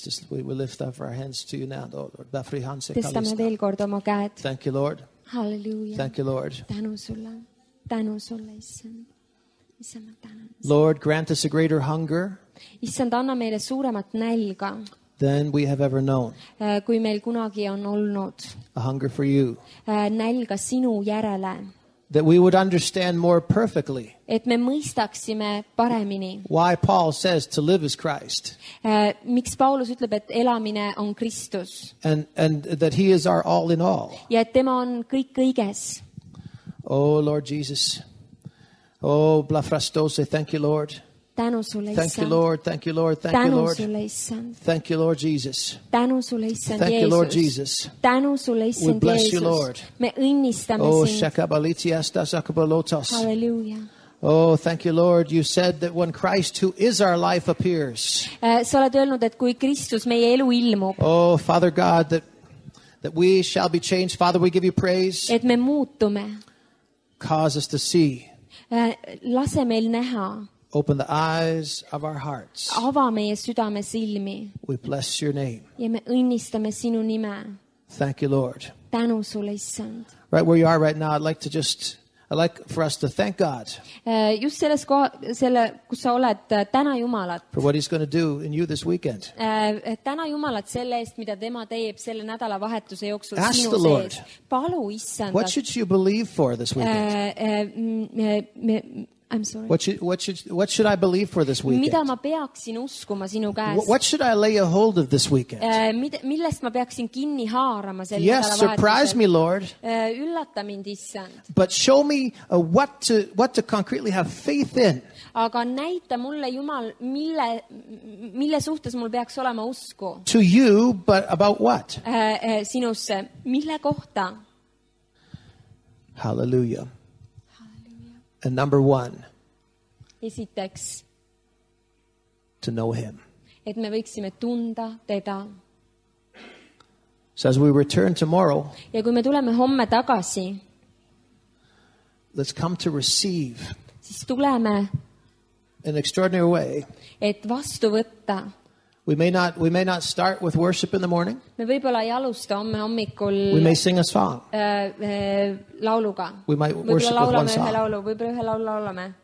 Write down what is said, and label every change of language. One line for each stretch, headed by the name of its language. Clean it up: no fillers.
English: We lift up our hands to you now, Lord.
Estonian: Tõstame veel kord oma käed.
English: Thank you, Lord. Hallelujah. Thank you, Lord.
Estonian: Tänu sulle, Issand.
English: Lord, grant us a greater hunger.
Estonian: Issand, anna meile suuremat nälga.
English: Than we have ever known.
Estonian: Kui meil kunagi on olnud.
English: A hunger for you.
Estonian: Nälga sinu järele.
English: That we would understand more perfectly.
Estonian: Et me mõistaksime paremini.
English: Why Paul says to live is Christ.
Estonian: Miks Paulus ütleb, et elamine on Kristus.
English: And that he is our all in all.
Estonian: Ja et tema on kõik kõiges.
English: Oh Lord Jesus. Oh blafrastose, thank you Lord.
Estonian: Tänu sulle,
English: thank you, Lord. Thank you, Lord. Thank
Estonian: tänu
English: you, Lord.
Estonian: Sulle, Issand.
English: Thank you, Lord Jesus.
Estonian: Tänu sulle, Issand,
English: thank
Estonian: Jeesus.
English: You, Lord Jesus.
Estonian: Tänu sulle, Issand,
English: we bless
Estonian: Jeesus.
English: You, Lord.
Estonian: Me õnnistame
English: oh,
Estonian: sind. Shakabalitias das akabalotas.
English: Hallelujah. Oh, thank you, Lord. You said that when Christ, who is our life, appears.
Estonian: Sa oled öelnud, et kui Kristus meie elu ilmub.
English: Oh, Father God, that we shall be changed. Father, we give you praise.
Estonian: Et me muutume.
English: Cause us to see.
Estonian: Lase meil näha.
English: Open the eyes of our hearts.
Estonian: Ava meie südame silmi.
English: We bless your name.
Estonian: Ja me õnnistame sinu nime.
English: Thank you, Lord.
Estonian: Tänu sulle, Issand.
English: Right where you are right now, I'd like for us to thank God.
Estonian: Just selles kus sa oled, täna Jumalat.
English: For what he's going to do in you this weekend.
Estonian: Täna Jumalat selle eest, mida tema teeb selle nädala vahetuse jooksul sinu sees.
English: Ask the Lord.
Estonian: Palu, Issand.
English: What should you believe for this weekend? I'm sorry. What should I believe for this weekend?
Estonian: Mida ma peaksin uskuma sinu käest?
English: What should I lay a hold of this weekend?
Estonian: Millest ma peaksin kinni haarama sel
English: yes, surprise me, Lord.
Estonian: Üllata mind, Issand.
English: But show me what to concretely have faith in.
Estonian: Aga näita mulle, Jumal, mille suhtes mul peaks olema usku.
English: To you, but about what?
Estonian: Sinusse. Mille kohta?
English: Hallelujah. And number one,
Estonian: esiteks,
English: to know him.
Estonian: Et me võiksime tunda teda.
English: So as we return tomorrow,
Estonian: ja kui me tuleme homme tagasi,
English: let's come to receive
Estonian: siis tuleme,
English: in an extraordinary way.
Estonian: Et vastu võtta.
English: We may not start with worship in the morning.
Estonian: Me võib-olla ei alusta homme hommikul.
English: We may sing a song.
Estonian: Lauluga.
English: We might worship with one song.
Estonian: Võib-olla ühe laulu laulame.